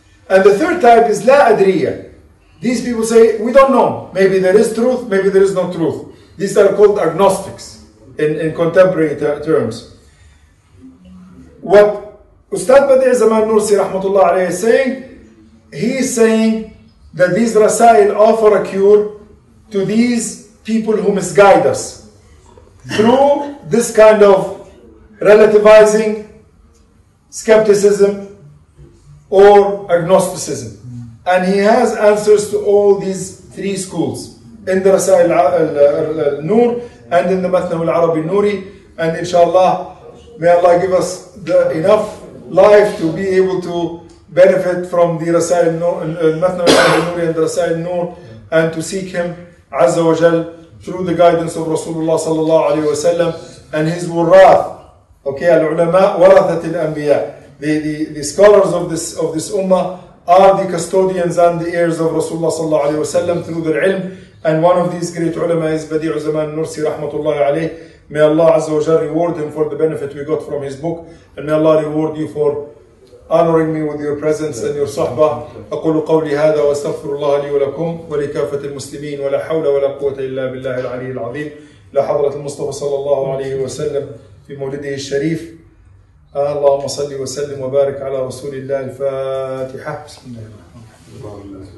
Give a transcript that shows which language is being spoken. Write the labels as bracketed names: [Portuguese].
[English] And the third type is لا أدرية. These people say, we don't know. Maybe there is truth, maybe there is no truth. These are called agnostics in contemporary terms. What Ustad Badi Zaman Nursi rahmatullah alayhi is saying, he is saying that these rasail offer a cure to these people who misguide us through this kind of relativizing skepticism or agnosticism. And he has answers to all these three schools in the Rasail al-Nur and in the Mathnawi al-Arabi al-Nuri. And inshallah, may Allah give us enough life to be able to benefit from the Rasail al-Mathnawi al-Nuri and the Rasail al-Nur, and to seek him Azza wa Jal through the guidance of Rasulullah sallallahu alayhi wa sallam and his wurath [Arabic] Okay, العلماء ورثة الأنبياء. [English] The scholars of this ummah are the custodians and the heirs of Rasulullah صلى الله عليه وسلم through their ilm. And one of these great ulama is بديع زمان النورسي رحمة الله عليه. May Allah عز وجل reward him for the benefit we got from his book. And may Allah reward you for honoring me with your presence and your sahbah. [Arabic] أقول قولي هذا وأستغفر الله لي ولكم ولكافة المسلمين ولا حول ولا قوة إلا بالله العلي العظيم. إلى حضرة المصطفى صلى الله عليه وسلم في مولده الشريف. اللهم صل وسلم وبارك على رسول الله الفاتحة. بسم الله الرحمن الرحيم.